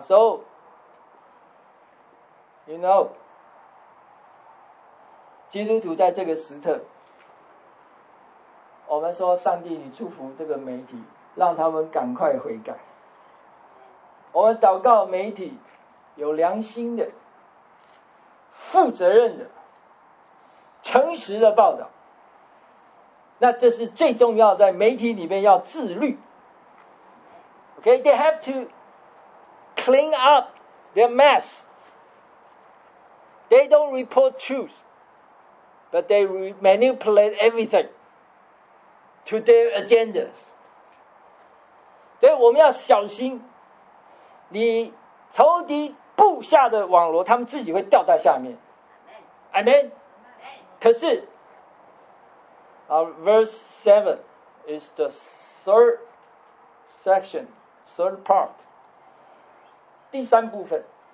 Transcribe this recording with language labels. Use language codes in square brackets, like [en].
[en] So, you know, [zh] 基督徒在这个时刻，我们说上帝，你祝福这个媒体，让他们赶快悔改。我们祷告媒体有良心的、负责任的、诚实的报道。那这是最重要，在媒体里面要自律。 [en] Okay, they have to clean up their mess. They don't report truth, but they manipulate everything to their agendas. [zh] 所以我们要小心，你仇敌布下的网罗，他们自己会掉在下面。 [en] Amen. [zh] 可是 [en] verse 7 is the third section, third part. [zh] 第三部分。